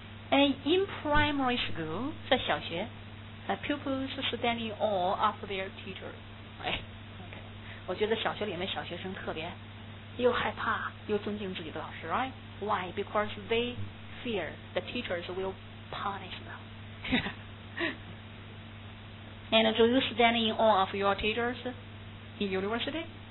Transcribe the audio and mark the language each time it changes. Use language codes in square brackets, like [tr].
[en] And in primary school， [zh] 在小学 [en] ，pupils stand in awe of their teacher, right? [zh] 我觉得小学里面小学生特别又害怕又尊敬自己的老师 [en] right? Why? Because they fear the teachers will punish them. And do you stand in awe of your teachers in university?